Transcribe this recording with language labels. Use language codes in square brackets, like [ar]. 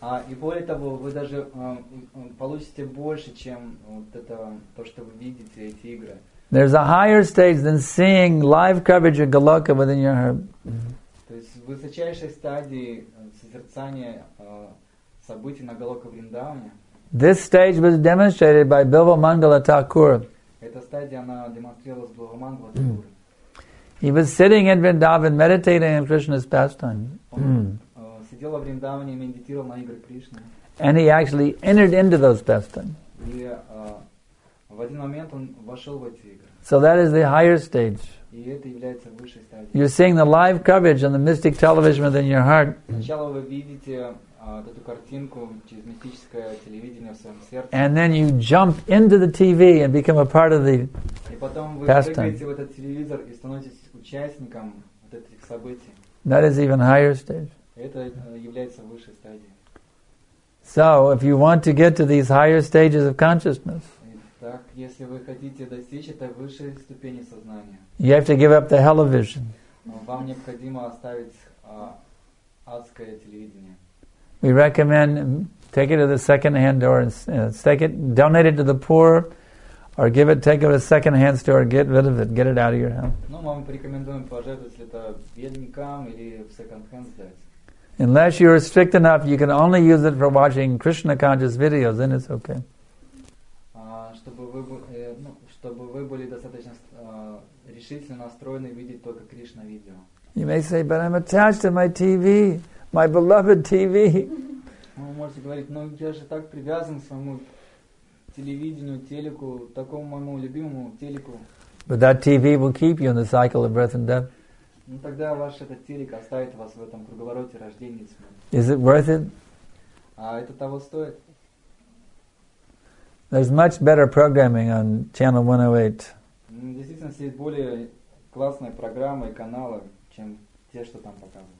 [ru] И более того, вы даже получите больше, чем вот это, то, что вы видите, эти игры. [en] There's a higher stage than seeing live coverage of Goloka within your heart. [ru] То есть высочайшей стадии созерцания событий на Голока Вриндауне. [en] This stage was demonstrated by Bilva Mangala Thakur. [ru] Эта стадия, она демонстрировалась Bilva Mangala [en] Thakur. He was sitting in Vrindavan meditating on Krishna's pastime. [ru] Сидел во Вриндаване и медитировал на игры Кришны. [en] And he actually entered into those pastimes. [ru] И в один момент он вошел в эти игры. [en] So that is the higher stage. [ru] И это является высшей стадией. [en] You're seeing the live coverage on the mystic television within your heart. [ru] Сначала вы видите эту картинку через мистическое телевидение в своем сердце. [en] And then you jump into the TV and become a part of the pastime. [ru] И потом вы прыгаете в этот телевизор и становитесь участником вот этих событий. [en] That is even higher stage. [ru] Это является высшей стадией. [en] So, if you want to get to these higher stages of consciousness, [ru] так, если вы хотите достичь этой высшей ступени сознания, [en] you have to give up the television. [ru] Вам необходимо оставить адское телевидение. [en] We recommend take it to the second-hand store and take it, donate it to the poor, or give it, take it to a second-hand store, get rid of it, get it out of your house. [ru] Ну, мы рекомендуем пожертвовать это бедникам или в second-hand сдать. [en] Unless you are strict enough, you can only use it for watching Krishna conscious videos, then it's okay. [ru] Чтобы вы были достаточно решительно настроены видеть только Кришна видео. [en] You may say, but I'm attached to my TV, my beloved TV. [ru] Вы можете говорить, но я же так привязан к своему телевидению, телеку, такому моему любимому телеку. [en] But that TV will keep you in the cycle of breath and death. [ru] Ну тогда ваш этот телек оставит вас в этом круговороте рождения и смерти. [en] Is it worth it? [ru] А это того стоит? [en] There's much better programming on channel 108. [ru] Действительно, есть более классные программы и каналы, чем те, что там показывают.